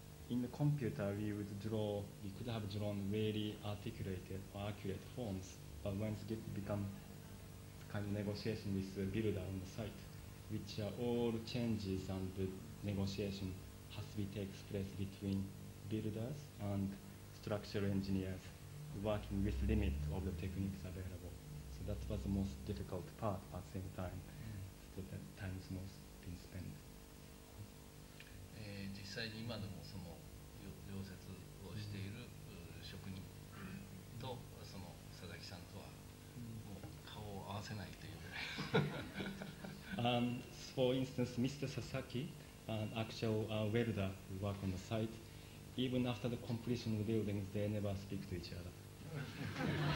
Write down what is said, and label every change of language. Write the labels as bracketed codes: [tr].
[en] in the computer we would draw, we could have drawn really articulated or accurate forms, but when it becomes kind of negotiation with the builder on the site, which all changes and the negotiation has to be takes place between builders and structural engineers working with limit of the techniques available. So that was the most difficult part at the same time. That time's most been spent. [ja] 実際に今でもその溶接をしている職人とその佐々木さんとはもう顔を合わせないというぐ [en] らい。For instance, Mr. Sasaki, an actual welder who works on the site, even after the completion of the buildings, they never speak to each other.